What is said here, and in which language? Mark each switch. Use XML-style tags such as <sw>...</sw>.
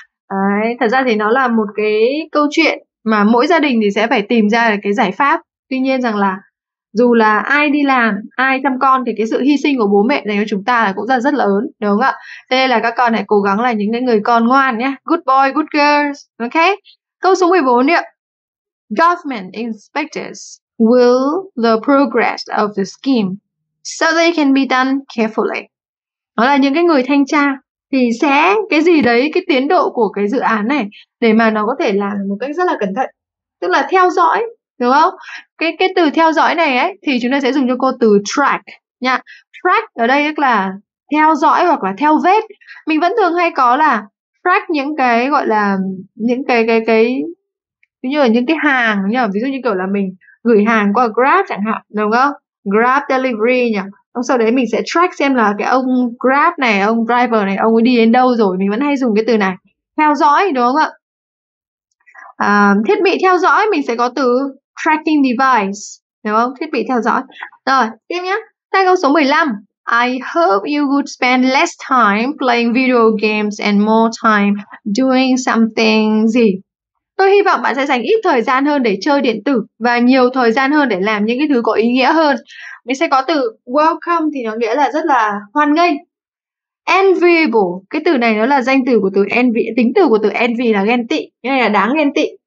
<vi>Đấy, thật ra thì nó là một cái câu chuyện mà mỗi gia đình thì sẽ phải tìm ra cái giải pháp. Tuy nhiên rằng là dù là ai đi làm, ai chăm con thì cái sự hy sinh của bố mẹ dành cho chúng ta là cũng rất lớn, đúng không ạ? Thế nên là các con hãy cố gắng là những cái người con ngoan nhé.</vi> <en>Good boy, good girls, ok?</en> <vi>Câu số 14 đi ạ.</vi> <en>Government inspectors will the progress of the scheme so they can be done carefully.</en> <vi>Đó là những cái người thanh tra thì sẽ cái gì đấy, cái tiến độ của cái dự án này để mà nó có thể làm một cách rất là cẩn thận. Tức là theo dõi, đúng không? Cái từ theo dõi này ấy thì chúng ta sẽ dùng cho cô từ track nhá. Track ở đây tức là theo dõi hoặc là theo vết. Mình vẫn thường hay có là track những cái gọi là những cái ví như là những cái hàng nhỉ, ví dụ như kiểu là mình gửi hàng qua Grab chẳng hạn, đúng không? Grab delivery nhỉ. Xong sau đấy mình sẽ track xem là cái ông Grab này, ông driver này, ông ấy đi đến đâu rồi. Mình vẫn hay dùng cái từ này, theo dõi, đúng không ạ? À, thiết bị theo dõi mình sẽ có từ tracking device, đúng không? Thiết bị theo dõi. Rồi, tiếp nhé. Sang câu số 15.</vi> <en>I hope you would spend less time playing video games and more time doing something</en> <vi>gì? Tôi hy vọng bạn sẽ dành ít thời gian hơn để chơi điện tử và nhiều thời gian hơn để làm những cái thứ có ý nghĩa hơn. Mình sẽ có từ welcome thì nó nghĩa là rất là hoan nghênh. Enviable, cái từ này nó là danh từ của từ envy, tính từ của từ envy là ghen tị, nghĩa là đáng ghen tị.</vi>